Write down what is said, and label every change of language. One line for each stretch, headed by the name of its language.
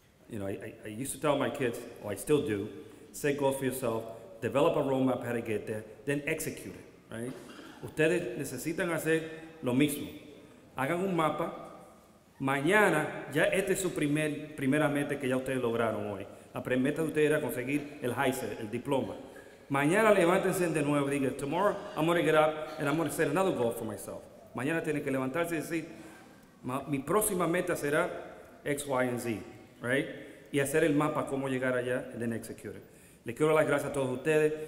English: You know, I used to tell my kids, or I still do, set goals for yourself, develop a roadmap how to get there, then execute it, right?
Spanish: Ustedes necesitan hacer lo mismo. Hagan un mapa. Mañana, ya esta es su primera meta que ya ustedes lograron hoy. La primera meta de ustedes era conseguir el HICER, el diploma.
English: Mañana levántense de nuevo y digan, tomorrow I'm going to get up and I'm going to set another goal for myself.
Spanish: Mañana tienen que levantarse y decir, mi próxima meta será X, Y, and Z, right? Y hacer el mapa, cómo llegar allá, and then execute it. Le quiero las gracias a todos ustedes.